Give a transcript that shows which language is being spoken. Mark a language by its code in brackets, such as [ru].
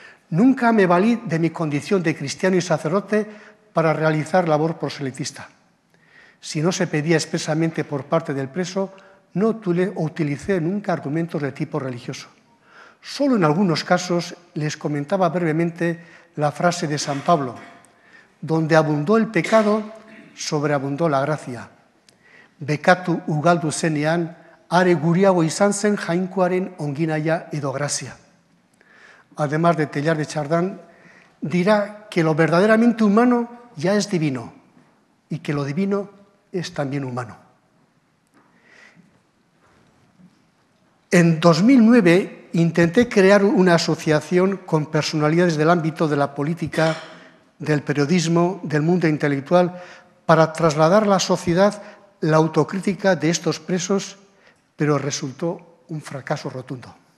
[es] Nunca me valí de mi condición de cristiano y sacerdote para realizar labor proselitista. Si no se pedía expresamente por parte del preso, no utilicé nunca argumentos de tipo religioso. Solo en algunos casos les comentaba brevemente la frase de San Pablo: donde abundó el pecado, sobreabundó la gracia. [eu] Becatu ugaldu zenean, are guriago izan zen jainkoaren onginaia edo gracia. [es] Además de Teilhard de Chardin, dirá que lo verdaderamente humano ya es divino y que lo divino es también humano. En 2009 intenté crear una asociación con personalidades del ámbito de la política, del periodismo, del mundo intelectual, para trasladar a la sociedad la autocrítica de estos presos, pero resultó un fracaso rotundo.